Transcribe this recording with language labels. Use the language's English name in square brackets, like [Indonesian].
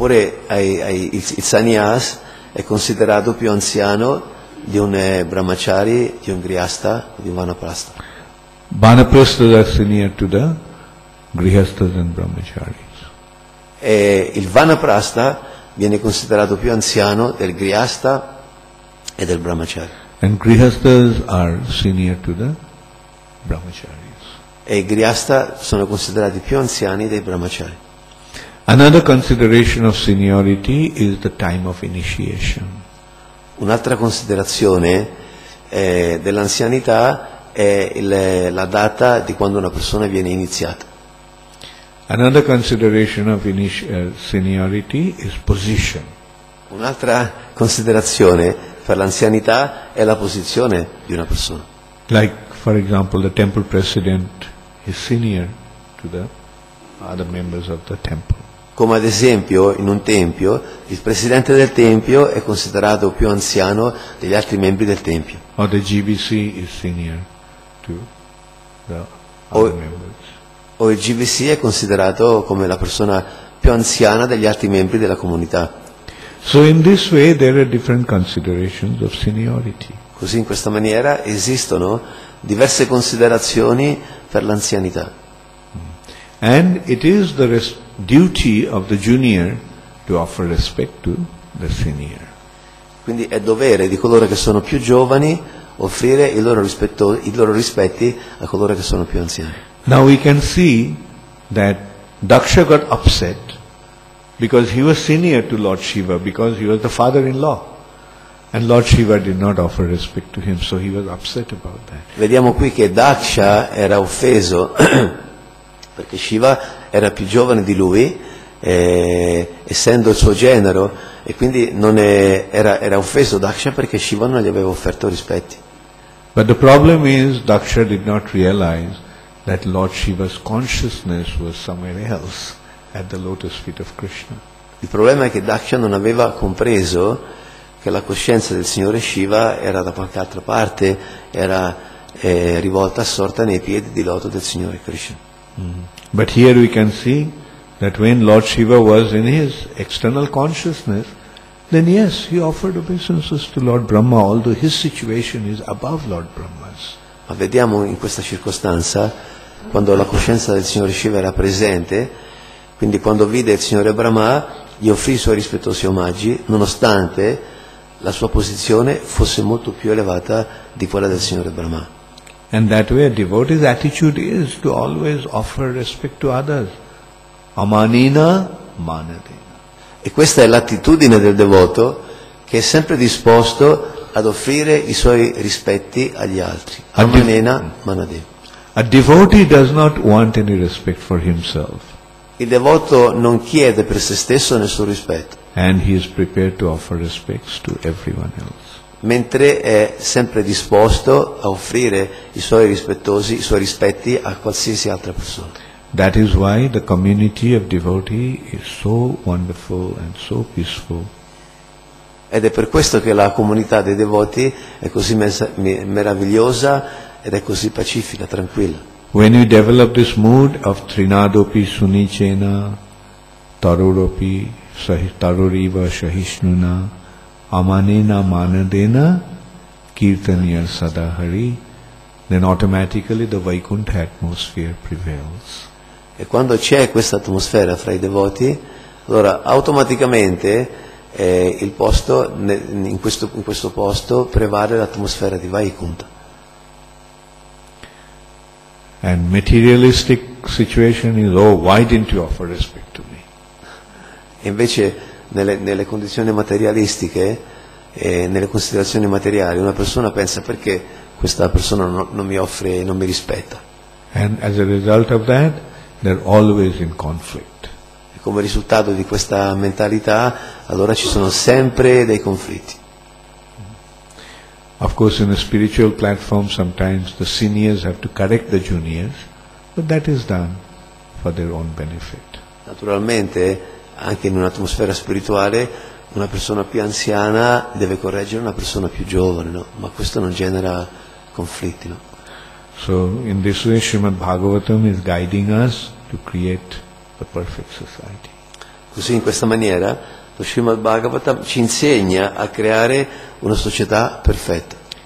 [Italian] Oppure il Sannyas è considerato più anziano di un Brahmachari, di un Grihastha, di un Vanaprastha. [English] Vanaprastha are senior to the Grihasthas and Brahmacharis. [Italian] E il Vanaprastha viene considerato più anziano del Grihastha e del Brahmachari. [English] And Grihasthas are senior to the Brahmachari. [Italian] E i Grihastha sono considerati più anziani dei Brahmachari. [English] Another consideration of seniority is the time of initiation. [Italian] Un'altra considerazione dell'anzianità è la data di quando una persona viene iniziata. [English] Another consideration of seniority is position. [Italian] Un'altra considerazione per l'anzianità è la posizione di una persona. [English] Like for example the temple president is senior to the other members of the temple. [Italian] Come ad esempio in un tempio il presidente del tempio è considerato più anziano degli altri membri del tempio. [English] Or the GBC is senior to the other members. [Italian] O il GBC è considerato come la persona più anziana degli altri membri della comunità. [English] So in this way there are different considerations of seniority. [Italian] Così in questa maniera esistono diverse considerazioni per l'anzianità. [English] And it is the duty of the junior to offer respect to the senior. [Italian] Quindi è dovere di coloro che sono più giovani offrire i loro rispetti a coloro che sono più anziani. [English] Now we can see that Daksha got upset because he was senior to Lord Shiva, because he was the father-in-law. And Lord Shiva did not offer respect to him, so he was upset about that. [Italian] Vediamo qui che Daksha era offeso perché Shiva era più giovane di lui, essendo il suo genero, e quindi era offeso Daksha perché Shiva non gli aveva offerto rispetti. [English] But the problem is Daksha did not realize that Lord Shiva's consciousness was somewhere else at the lotus feet of Krishna. [Italian] Il problema è che Daksha non aveva compreso che la coscienza del Signore Shiva era da qualche altra parte, era rivolta assorta nei piedi di loto del Signore Krishna. [English] But here we can see that when Lord Shiva was in his external consciousness, then yes, he offered obeisances to Lord Brahma, although his situation is above Lord Brahma's. [Italian] Ma vediamo in questa circostanza, quando la coscienza del Signore Shiva era presente, quindi quando vide il Signore Brahma, gli offrì i suoi rispettosi omaggi, nonostante la sua posizione fosse molto più elevata di quella del Signore Brahma. [English] And that way a devotee's attitude is to always offer respect to others. [Sanskrit] Amanina manadena. [Italian] E questa è l'attitudine del devoto che è sempre disposto ad offrire i suoi rispetti agli altri. [Sanskrit] Amanina manadena. [English] A devotee does not want any respect for himself. [Italian] Il devoto non chiede per se stesso nessun rispetto. [English] And he is prepared to offer respects to everyone else. [Italian] Mentre è sempre disposto a offrire i suoi rispetti a qualsiasi altra persona. [English] That is why the community of devotee is so wonderful and so peaceful. [Italian] Ed è per questo che la comunità dei devoti è così meravigliosa ed è così pacifica, tranquilla. [English] When you develop this mood of [Sanskrit] trinadopi sunichena tarudopi taruriva shahishnuna amanena manadena kirtaniya sadahari, [English] then automatically the Vaikuntha atmosphere prevails. [Italian] E quando c'è questa atmosfera fra i devoti, allora automaticamente il posto in questo posto prevale l'atmosfera di Vaikuntha. [English] And materialistic situation is, oh, why didn't you offer respect to me? [Italian] Invece nelle condizioni materialistiche, nelle considerazioni materiali, una persona pensa perché questa persona non mi offre, non mi rispetta. [English] And as a result of that, they're always in conflict. [Italian] E come risultato di questa mentalità, allora ci sono sempre dei conflitti. [English] Of course, in a spiritual platform, sometimes the seniors have to correct the juniors, but that is done for their own benefit. [Italian] Naturalmente, anche in un'atmosfera spirituale, una persona più anziana deve correggere una persona più giovane, no? Ma questo non genera conflitti, no? [English] So, in this way, Srimad Bhagavatam is guiding us to create the perfect society. [Italian] Così, in questa maniera, lo Srimad Bhagavatam ci insegna a creare una società perfetta.